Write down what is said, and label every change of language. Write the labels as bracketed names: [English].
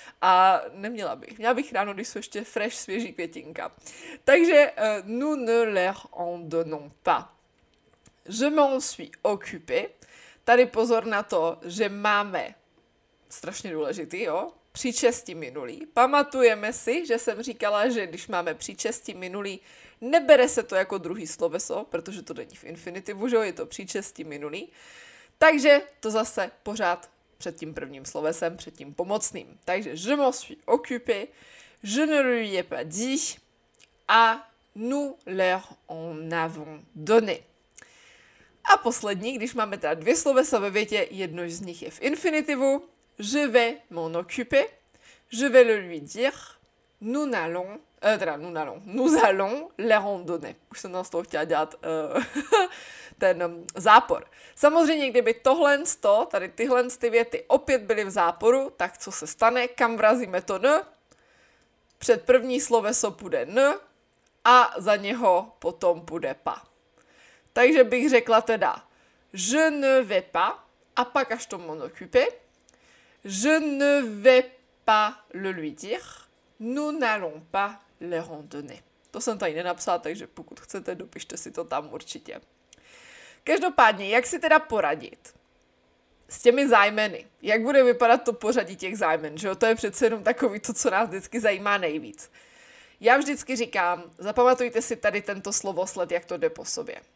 [Czech] A neměla bych. Měla bych ráno, když jsou ještě fresh, svěží květinka. [French] Takže nous ne les rendons pas. Je m'en suis occupé. [Czech] Tady pozor na to, že máme, strašně důležitý, jo, příčestí minulý. Pamatujeme si, že jsem říkala, že když máme příčestí minulý, nebere se to jako druhý sloveso, protože to není v infinitivu, že jo, je to příčestí minulý. Takže to zase pořád před tím prvním slovesem, před tím pomocným. [French] Takže je m'en suis occupé, je ne lui ai pas dit, a nous leur en avons donné. [Czech] A poslední, když máme teda dvě slovesa ve větě, jedno z nich je v infinitivu, [French] je vais m'en occuper, je vais le lui dire, nous n'allons, nous allons les rendonner. [Czech] Už jsem nám z toho chtěla dělat ten zápor. Samozřejmě, kdyby tohle z to, tady tyhle z ty věty opět byly v záporu, tak co se stane, kam vrazíme to n? Před první sloveso půjde n a za něho potom půjde pa. Takže bych řekla teda, [French] je ne vais pas, [Czech] a pak až to [French] m'en occuper, je ne vais pas le lui dire, nous n'allons pas le rendonner. [Czech] To jsem tady nenapsala, takže pokud chcete, dopište si to tam určitě. Každopádně, jak si teda poradit s těmi zájmeny? Jak bude vypadat to pořadí těch zájmen? Že jo? To je přece jenom takový to, co nás vždycky zajímá nejvíc. Já vždycky říkám, zapamatujte si tady tento slovosled, jak to jde po sobě.